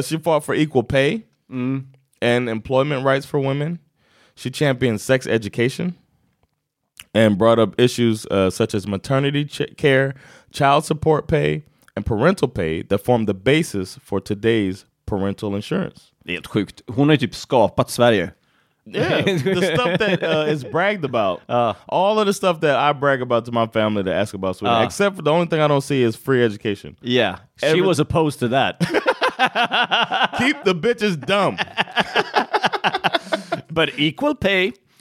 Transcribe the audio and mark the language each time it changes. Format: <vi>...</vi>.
<en>She fought for equal pay. And employment rights for women. She championed sex education and brought up issues such as maternity care, child support pay, and parental pay that formed the basis for today's parental insurance.</en> <sv>Helt sjukt. Hon har ju typ skapat Sverige.</sv> <en>Yeah, the stuff that is bragged about. All of the stuff that I brag about to my family to ask about Sweden, except for the only thing I don't see is free education. Yeah, she was opposed to that. Keep the bitches dumb. But equal pay.</en>